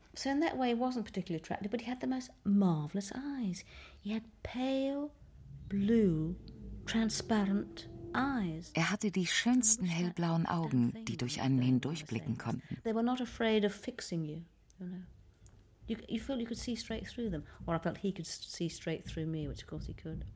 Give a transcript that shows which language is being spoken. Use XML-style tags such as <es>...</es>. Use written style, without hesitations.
<en>So in that way, he wasn't particularly attractive, but he had the most marvelous eyes. He had pale, blue, transparent.</en> <de>Er hatte die schönsten hellblauen Augen, die durch einen hindurchblicken konnten.</de> <en>They were not afraid of fixing you, you know. You felt you could see straight through them, or I felt he could see straight through me, which of course he could.</en>